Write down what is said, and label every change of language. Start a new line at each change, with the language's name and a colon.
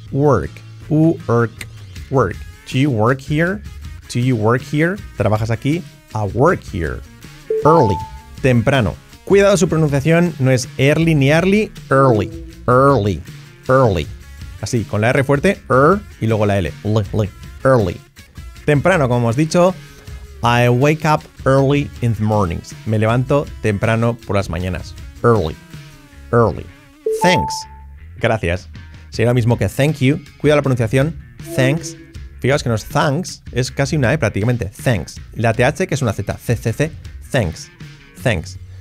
English: Work. U-R-K. Work. Do you work here? Do you work here?
Spanish: ¿Trabajas aquí?
English: I work here. Early. Temprano.
Spanish: Cuidado, su pronunciación no es early ni early. Early. Early. Early. Así, con la R fuerte, R, y luego la L. L-L. Early. Temprano, como hemos dicho.
English: I wake up early in the mornings.
Spanish: Me levanto temprano por las mañanas.
English: Early. Early. Thanks. Gracias.
Spanish: Sería lo mismo que thank you. Cuida la pronunciación. Thanks. Fijaos que no es thanks. Es casi una E prácticamente. Thanks. La TH que es una Z. CCC. Thanks. Thanks.